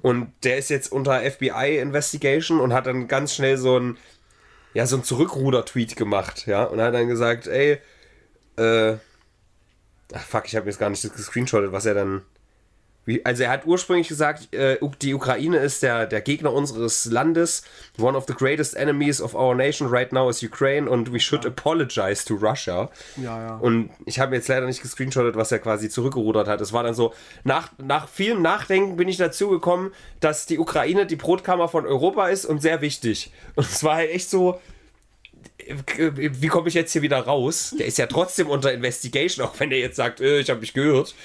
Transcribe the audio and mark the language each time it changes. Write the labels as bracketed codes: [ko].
[de] Und der ist jetzt unter FBI-Investigation und hat dann ganz schnell so ein Zurückruder-Tweet gemacht, ja. Und hat dann gesagt, ey, ich habe jetzt gar nicht gescreenshottet, was er dann... Also er hat ursprünglich gesagt, die Ukraine ist der Gegner unseres Landes. [en] One of the greatest enemies of our nation right now is Ukraine and we should apologize to Russia. [de] Ja, ja. Und ich habe jetzt leider nicht gescreenshottet, was er quasi zurückgerudert hat. Es war dann so, nach vielem Nachdenken bin ich dazu gekommen, dass die Ukraine die Brotkammer von Europa ist und sehr wichtig. Und es war halt echt so... Wie komme ich jetzt hier wieder raus? Der ist ja trotzdem unter Investigation, auch wenn er jetzt sagt, ich habe mich gehört.